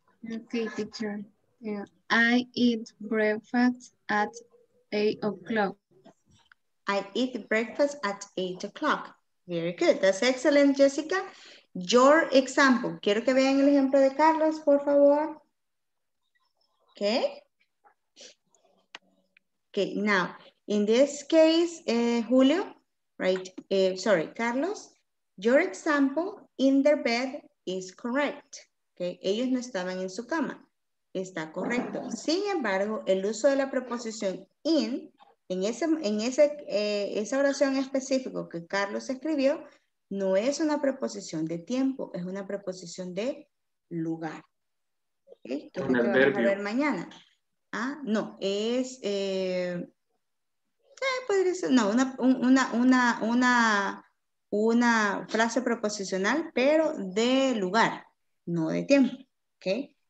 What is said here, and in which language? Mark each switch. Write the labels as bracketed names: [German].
[English] Ok, teacher. Yeah. I eat breakfast at 8 o'clock. I eat breakfast at 8 o'clock. Very good. That's excellent, Jessica. Your example. [Spanish] Quiero que vean el ejemplo de Carlos, por favor. [English] Ok. Okay, now, in this case, Julio, right, sorry, Carlos, your example, in their bed, is correct. [Spanish] Okay, ellos no estaban en su cama. Está correcto. Sin embargo, el uso de la preposición in, esa oración específica que Carlos escribió, no es una preposición de tiempo, es una preposición de lugar. Okay, esto es lo que vamos a ver mañana. Ah, no, es, podría ser, no, una frase proposicional, pero de lugar, no de tiempo, ¿ok?